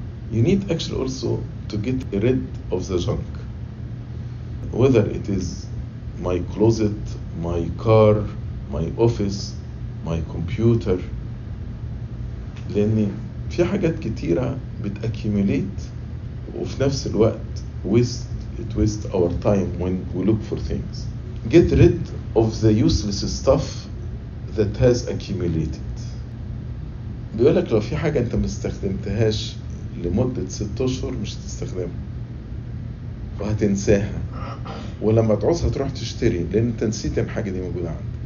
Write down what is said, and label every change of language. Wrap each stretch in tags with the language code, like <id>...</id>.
<en>You need actually also to get rid of the junk, whether it is my closet, my car, my office, my computer.</en> <ar>لان في حاجات كتيرة بتأكيميليت وفي نفس الوقت</ar> <en>waste our time when we look for things. Get rid of the useless stuff that has accumulated.</en> <ar>بيقولك لو في حاجة انت مستخدمتهاش لمدة 6 أشهر مش تستخدمها وهتنساها, ولما تعوزها تروح تشتري لان انت نسيت الحاجة دي موجودة عندك.</ar>